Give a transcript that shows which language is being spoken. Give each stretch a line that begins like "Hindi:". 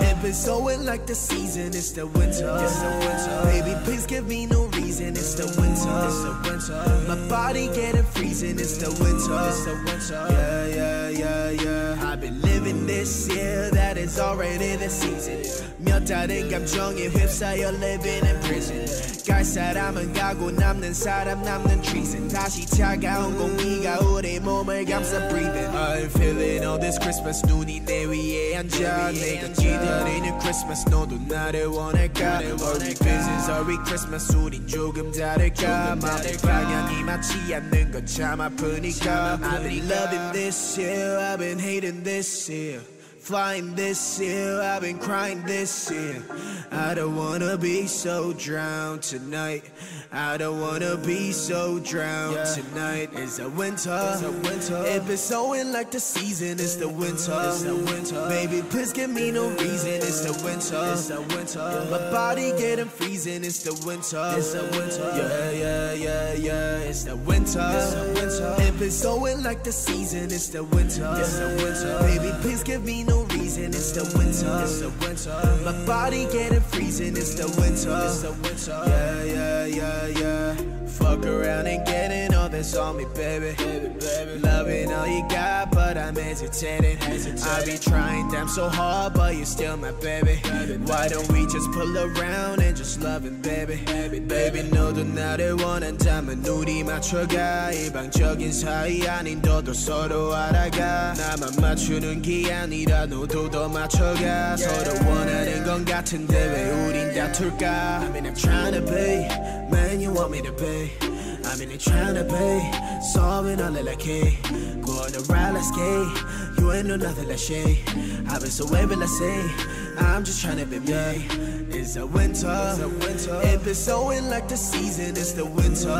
English: If it's snowing like the season, it's the winter. It's the winter. Baby, please give me no reason. It's the winter. It's the winter. My body getting freezing. It's the winter. It's the winter. Yeah, yeah, yeah, yeah. I've been living this year. That is already the season.
Korean: 몇 달은 감정에 휩싸여
English: living in prison.
Korean: 갈 사람은 가고 남는 사람 남는 treason. 다시 차가운 공기가 우리 몸을 감싸 breathing.
English: I'm feeling all this Christmas.
Korean: 눈이 내 위에 앉아. 내가 기다리는 Christmas. 너도 나를 원할까.
English: Are we business? Are we Christmas?
Korean: 우린 조금 다를까. 마음의 방향이 맞지 않는 건 참 아프니까.
English: I've been loving this year. I've been hating this year. Flying this year, I've been crying this year. I don't wanna be so drowned tonight. I don't wanna be so drowned tonight. It's a winter. It's a winter. If it's snowing like the season, it's the winter. It's the winter. Baby, please give me no reason. It's the winter. It's the winter. My body getting freezing. It's the winter. It's the winter. Yeah, yeah, yeah, yeah. It's the winter. It's the winter. If it's snowing like the season, it's the winter. It's the winter. Baby, please give me no reason. It's the winter. It's the winter. My body getting freezing. It's the winter. It's the winter. Yeah, yeah, yeah. Yeah, fuck around and getting all this on me, baby. Baby, baby. Loving all you got, but I'm hesitating. Hesitating. I be trying damn so hard, but you're still my baby. Baby, why don't we just pull around and just love it, baby? Baby, baby, baby. No, do not it one and time. A nudie, my trigger.
Korean: 일방적인 사이 아닌데도 서로 알아가. 나만 맞추는 게 아니라 너도 더 맞춰가.
English: Yeah.
Korean: 서로 원하는 건 같은데 왜 우린 다툴까?
English: I mean, I'm trying to be. Man, you want me to pay? I'm in it trying to pay. Solving all of the like K. Go on the ride, let's skate. You ain't no nothing, let's shake. I've been so wavy, let's say. I'm just trying to be me. It's a winter. If it's snowing like the season, it's the winter.